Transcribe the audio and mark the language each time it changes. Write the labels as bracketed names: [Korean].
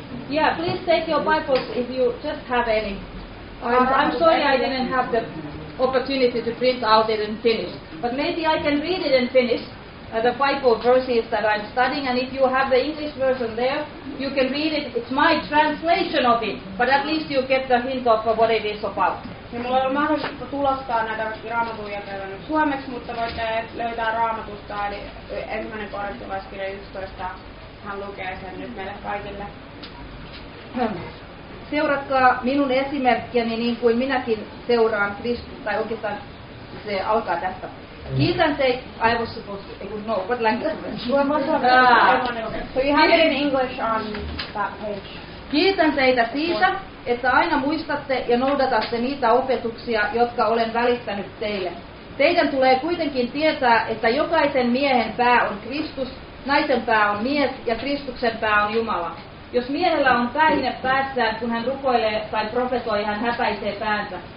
[English] Yeah, please take your Bibles if you just have any. I'm sorry I didn't have the opportunity to print out it and finish. But maybe I can read it and finish the Bible verses that I'm studying. And if you have the English version there, you can read it. It's my translation of it. But at least you get the hint of what it is about. [Finnish] Niin mulla ei ollut mahdollisuutta tulostaa näitä raamatuja täällä nyt suomeksi, mutta voitte löytää raamatusta, eli ensimmäinen korintolaiskirja 11, hän lukee sen nyt meille kaikille. Seuratkaa minun esimerkkiäni niin kuin minäkin seuraan Kristusta, tai oikeastaan se alkaa tästä. Kiitän teitä, [English] I was supposed to, no, what language? So you have it in English on that page. [Finnish] Kiitän teitä siitä, että aina muistatte ja noudatatte niitä opetuksia, jotka olen välittänyt teille. Teidän tulee kuitenkin tietää, että jokaisen miehen pää on Kristus, naisen pää on mies ja Kristuksen pää on Jumala. Jos miehellä on päihine päässään, kun hän rukoilee tai profetoi, hän häpäisee päänsä.